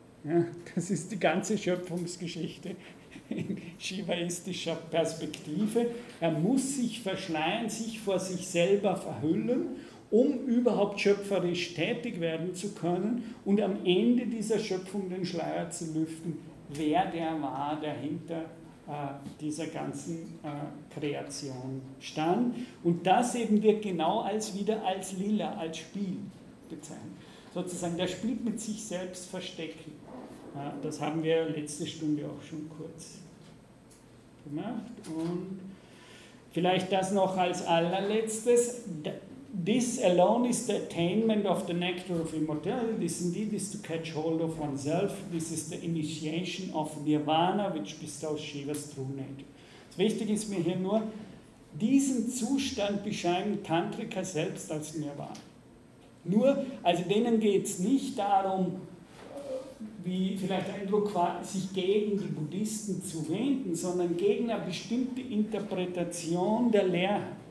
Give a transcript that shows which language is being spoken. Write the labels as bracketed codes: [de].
[de] Ja, das ist die ganze Schöpfungsgeschichte. In shivaistischer Perspektive, er muss sich verschleiern, sich vor sich selber verhüllen, um überhaupt schöpferisch tätig werden zu können und am Ende dieser Schöpfung den Schleier zu lüften, wer der war, der hinter dieser ganzen Kreation stand. Und das eben wird genau als wieder als Lila, als Spiel bezeichnet. Sozusagen, der spielt mit sich selbst verstecken. Das haben wir letzte Stunde auch schon kurz gemacht. Und vielleicht das noch als allerletztes. [en] This alone is the attainment of the nectar of immortality. This indeed is to catch hold of oneself. This is the initiation of Nirvana, which bestows Shiva's true nature. [de] Wichtig ist mir hier nur, diesen Zustand beschreiben Tantriker selbst als Nirvana. Nur, also denen geht es nicht darum, wie vielleicht ein Druck war, sich gegen die Buddhisten zu wenden, sondern gegen eine bestimmte Interpretation der Leerheit.